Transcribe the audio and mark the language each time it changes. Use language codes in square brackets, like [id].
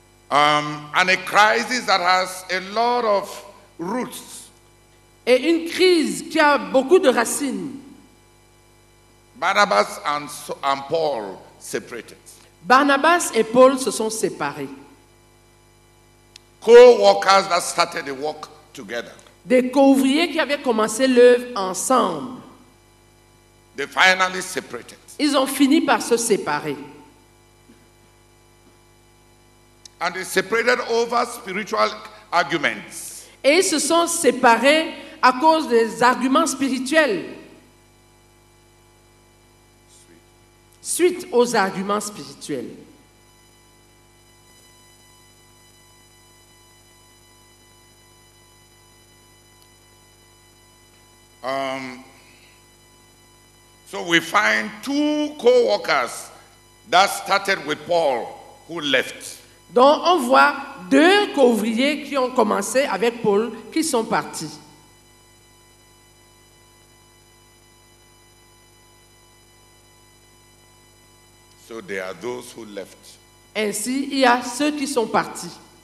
[en] And a crisis that has a lot of roots. [fr] Et une crise qui a beaucoup de racines. [en] Barnabas and Paul separated. [fr] Barnabas et Paul se sont séparés. [en] Co-workers that started the work together. [fr] Des co-ouvriers qui avaient commencé l'œuvre ensemble. [en] They finally separated. [fr] Ils ont fini par se séparer. [en] And they separated over spiritual arguments. [fr] et ils se sont séparés à cause des arguments spirituels. Suite aux arguments spirituels. [en] So we find two co-workers that started with Paul who left. [fr] Donc on voit deux co-ouvriers qui ont commencé avec Paul qui sont partis. [en] So there are those who left. [fr] Ainsi, il y a ceux qui sont partis.